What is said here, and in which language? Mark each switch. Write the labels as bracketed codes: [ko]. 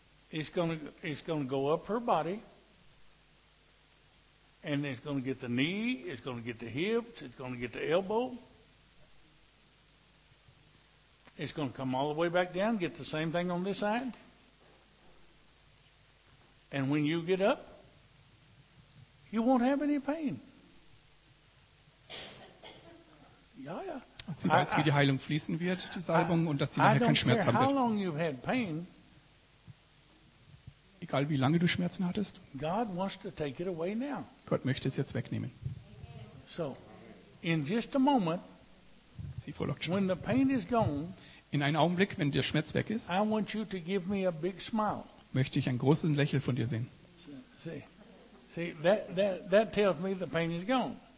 [de] It's going to go up her body, and it's going to get the knee, it's going to get the hips, it's going to get the elbow. It's going to come all the way back down, get the same thing on this side. And when you get up, you won't have any pain. Yeah. Sie weiß, wie die Heilung fließen wird, die Salbung, und dass sie nachher keinen Schmerz haben wird. [en] How long you've had pain. [de] egal wie lange du Schmerzen hattest. [en] God wants to take it away now. [de] Gott möchte es jetzt wegnehmen. [en] So, in just a moment, [de] sie verlockt schon. [en] When the pain is gone, [de] in einem Augenblick, wenn der Schmerz weg ist, [en] I want you to give me a big smile. [de] Möchte ich ein großes Lächeln von dir sehen. [en] See, that tells me the pain is gone.